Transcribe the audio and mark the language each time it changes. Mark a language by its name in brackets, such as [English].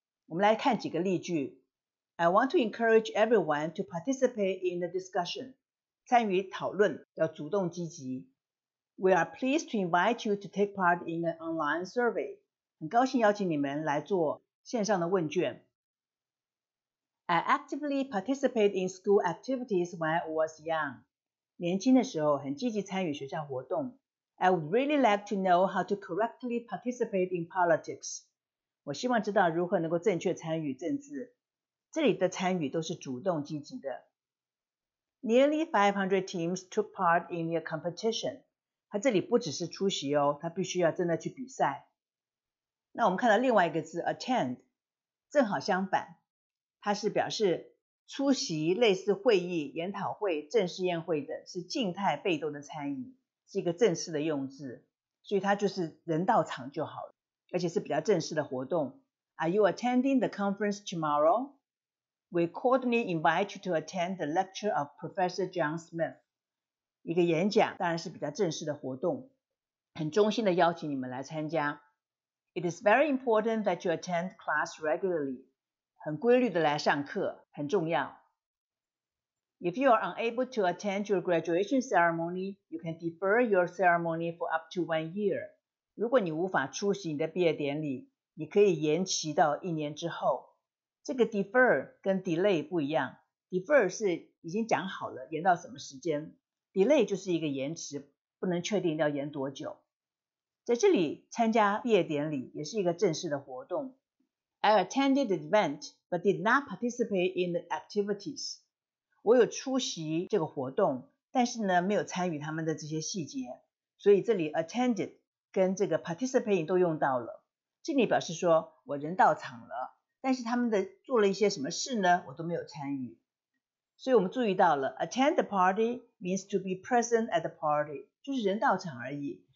[Chinese] 我们来看几个例句。 [English] I want to encourage everyone to participate in the discussion， [Chinese] 参与讨论，要主动积极。 [English] We are pleased to invite you to take part in an online survey. [Chinese] 很高兴邀请你们来做线上的问卷。 [English] I actively participate in school activities when I was young. [Chinese] 年轻的时候很积极参与学校活动。 [English] I would really like to know how to correctly participate in politics. [Chinese] 我希望知道如何能够正确参与政治。这里的参与都是主动积极的。 [English] Nearly 500 teams took part in a competition. [Chinese] 它这里不只是出席哦，它必须要真的去比赛。那我们看到另外一个字 attend， 正好相反，它是表示出席类似会议、研讨会、正式宴会的，是静态被动的参与，是一个正式的用字，所以它就是人到场就好了，而且是比较正式的活动。 [English] Are you attending the conference tomorrow? We cordially invite you to attend the lecture of Professor John Smith. [Chinese] 一个演讲当然是比较正式的活动，很衷心的邀请你们来参加。 [English] It is very important that you attend class regularly. [Chinese] 很规律的来上课，很重要。 [English] If you are unable to attend your graduation ceremony, you can defer your ceremony for up to 1 year. [Chinese] 如果你无法出席你的毕业典礼，你可以延期到一年之后。这个 defer 跟 delay 不一样， defer 是已经讲好了延到什么时间。 Delay 就是一个延迟，不能确定要延多久。在这里参加毕业典礼也是一个正式的活动。 [English] I attended the event, but did not participate in the activities. [Chinese] 我有出席这个活动，但是呢没有参与他们的这些细节。所以这里 attended 跟这个 participating 都用到了。这里表示说我人到场了，但是他们的做了一些什么事呢，我都没有参与。所以我们注意到了 [English] attend the party means to be present at the party， [Chinese] 就是人到场而已。